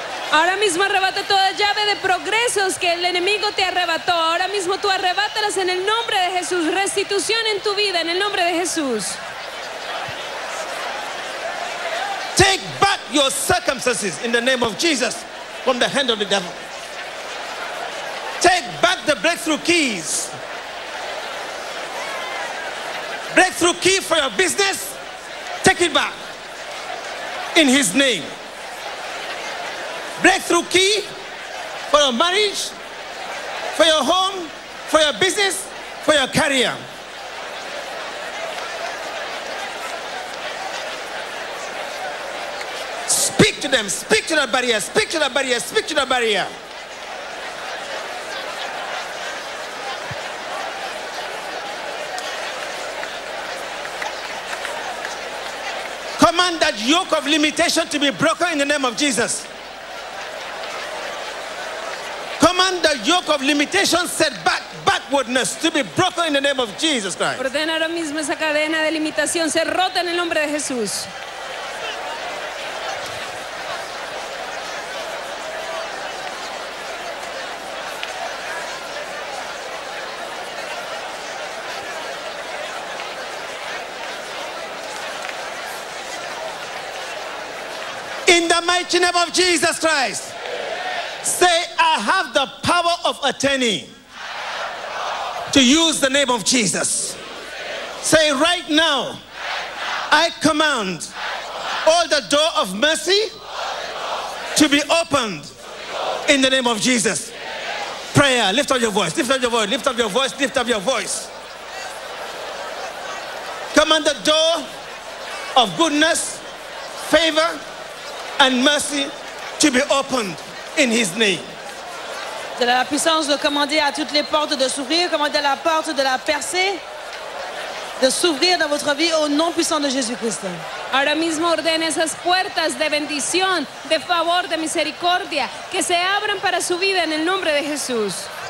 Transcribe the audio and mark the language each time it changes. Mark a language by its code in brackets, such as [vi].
[es] Ahora mismo arrebata toda llave de progresos que el enemigo te arrebató. Ahora mismo tú arrebátalas en el nombre de Jesús. Restitución en tu vida en el nombre de Jesús. [en] Take back your circumstances in the name of Jesus from the hand of the devil. Take back the breakthrough keys. Breakthrough key for your business. Take it back. In his name. Breakthrough key for your marriage, for your home, for your business, for your career. Speak to them. Speak to that barrier. Speak to that barrier. Speak to that barrier. Command that yoke of limitation to be broken in the name of Jesus. Command the yoke of limitation set back, backwardness to be broken in the name of Jesus Christ. [es] Ordena ahora mismo esa cadena de limitación ser rota en el nombre de Jesús. [en] In the mighty name of Jesus Christ, say, I have the power of attorney to use the name of Jesus. Say, right now, I command all the door of mercy to be opened in the name of Jesus. Prayer, lift up your voice, lift up your voice, lift up your voice, lift up your voice. Command the door of goodness, favor, and mercy to be opened in his name. [fr] De la puissance de commander à toutes les portes de s'ouvrir, commander la porte de la percée de s'ouvrir dans votre vie au nom puissant de Jésus-Christ. [es] Ahora mismo ordena esas puertas de bendición, de favor, de misericordia que se abran para su vida en el nombre de Jesús.